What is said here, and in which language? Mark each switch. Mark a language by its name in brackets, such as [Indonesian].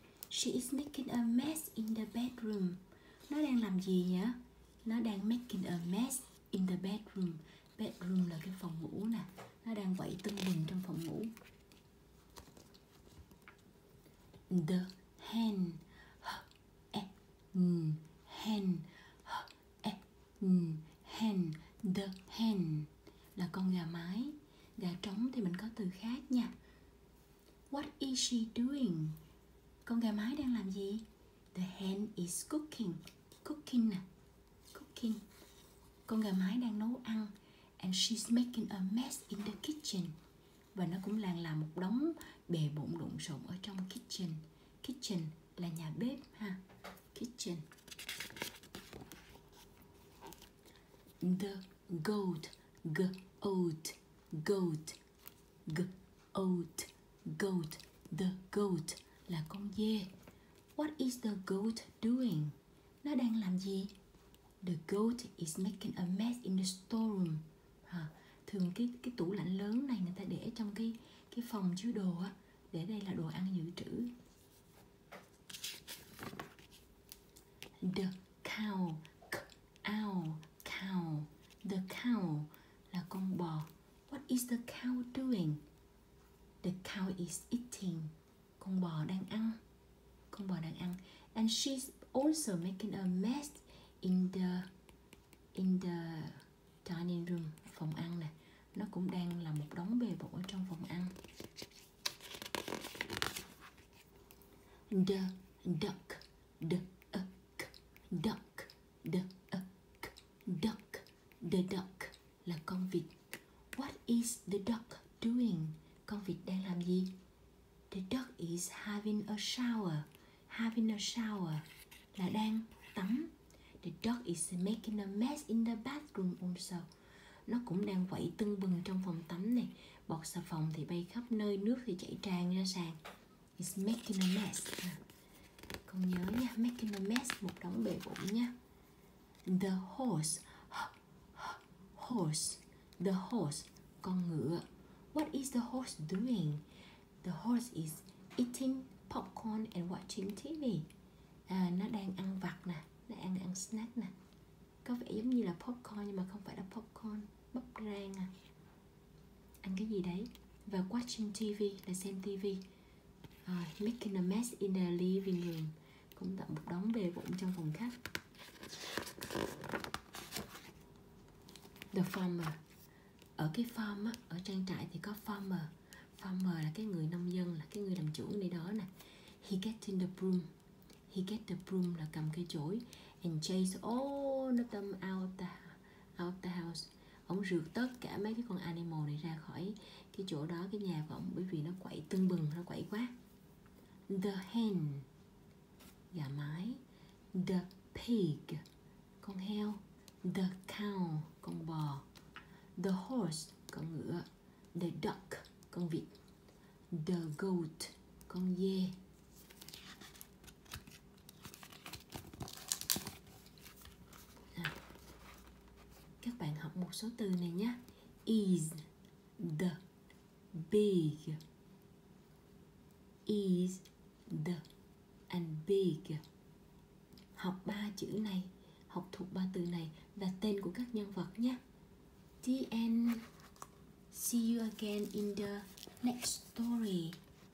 [English] She is making a mess in the bedroom. [Vietnamese] Nó đang làm gì nhỉ? Nó đang [English] making a mess in the bedroom. [Vietnamese] Bedroom là cái phòng ngủ nè. Nó đang quậy tưng bừng trong phòng ngủ. [English] The hen, h-e-n, hen, h-e-n, hen, the hen. [Vietnamese] Là con gà mái. Gà trống thì mình có từ khác nha. [English] What is she doing? [Vietnamese] Con gà mái đang làm gì? [English] The hen is cooking. Cooking nè. Cooking. [Vietnamese] Con gà mái đang nấu ăn. [English] And she's making a mess in the kitchen. [Vietnamese] Và nó cũng đang làm một đống bề bộn lộn xộn ở trong kitchen. Kitchen là nhà bếp ha. Kitchen. [English] The goat. Goat, goat, goat, goat, the goat [Vietnamese] là con dê. [English] What is the goat doing? [Vietnamese] Nó đang làm gì? [English] The goat is making a mess in the storeroom. [Vietnamese] Thường cái tủ lạnh lớn này người ta để trong cái phòng chứa đồ á, để đây là đồ ăn dự trữ. [English] The cow, cow, cow, the cow. [Vietnamese] Là con bò. [English] What is the cow doing? The cow is eating. [Vietnamese] Con bò đang ăn. Con bò đang ăn. [English] And she's also making a mess in the dining room. [Vietnamese] Phòng ăn này. Nó cũng đang là một đống bề bộn ở trong phòng ăn. [English] The duck. Duck. Duck. Duck. Duck. The duck. [Vietnamese] Là con vịt. [English] What is the duck doing? [Vietnamese] Con vịt đang làm gì? [English] The duck is having a shower. Having a shower [Vietnamese] là đang tắm. [English] The duck is making a mess in the bathroom also. [Vietnamese] Nó cũng đang quậy tưng bừng trong phòng tắm này. Bọt xà phòng thì bay khắp nơi, nước thì chảy tràn ra sàn. [English] It's making a mess. [Vietnamese] Con nhớ nha, [English] making a mess [Vietnamese] một đống bề bộn nha. [English] The horse. Horse, the horse, [Vietnamese] con ngựa. [English] What is the horse doing? The horse is eating popcorn and watching TV. [Vietnamese] Nó đang ăn vặt nè, nó đang ăn snack nè. Có vẻ giống như là popcorn nhưng mà không phải là popcorn, bắp rang à. Ăn cái gì đấy? Và [English] watching TV [Vietnamese] là xem [English] TV. Making a mess in the living room. [Vietnamese] Cũng tạo một đống bề bộn trong phòng khách. The farmer. Ở cái farm á, ở trang trại thì có farmer. Farmer là cái người nông dân, là cái người làm chủ này đó nè. [English] He getting the broom. He get the broom [Vietnamese] là cầm cái chổi. [English] And chase all of them out the house. [Vietnamese] Ông rượt tất cả mấy cái con animal này ra khỏi cái chỗ đó, cái nhà của ông, bởi vì nó quậy tưng bừng, nó quậy quá. [English] The hen. [Vietnamese] Gà mái. [English] The pig. [Vietnamese] Con heo. [English] The cow, [Vietnamese] con bò. [English] The horse, [Vietnamese] con ngựa. [English] The duck, [Vietnamese] con vịt. [English] The goat, [Vietnamese] con dê. Các bạn học một số từ này nhé. [English] Is, the, big. Is, the, and big. [Vietnamese] Học ba chữ này, học thuộc ba từ này và tên của các nhân vật nhé. [English] The end. See you again in the next story.